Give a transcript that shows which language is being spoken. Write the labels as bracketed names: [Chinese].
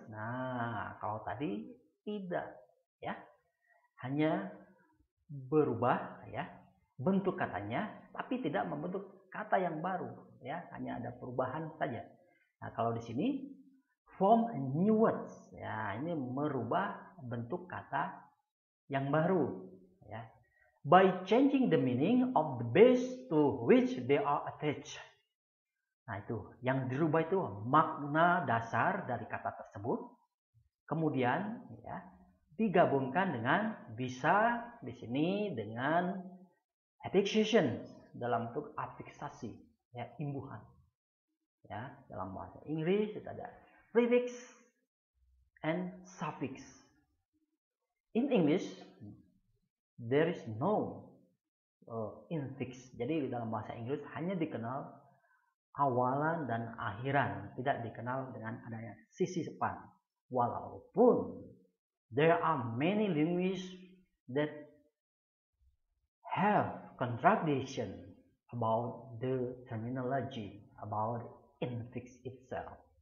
[Indonesian] Nah, kalau tadi tidak, ya, hanya berubah, ya, bentuk katanya, tapi tidak membentuk kata yang baru, ya, hanya ada perubahan saja. Nah, kalau di sini [English] form new words, [Indonesian] ya, ini merubah bentuk kata yang baru, ya. [English] By changing the meaning of the base to which they are attached. [Indonesian] Nah, itu yang dirubah itu makna dasar dari kata tersebut. Kemudian, ya, digabungkan dengan bisa di sini dengan affixation dalam bentuk afiksasi, ya, imbuhan. Ya, dalam bahasa Inggris itu ada prefix and suffix. [English] In English there is no infix. [Indonesian] Jadi dalam bahasa Inggris hanya dikenal awalan dan akhiran, tidak dikenal dengan adanya sisi depan. [English] Walaupun there are many languages that have contradiction about the terminology about infix itself.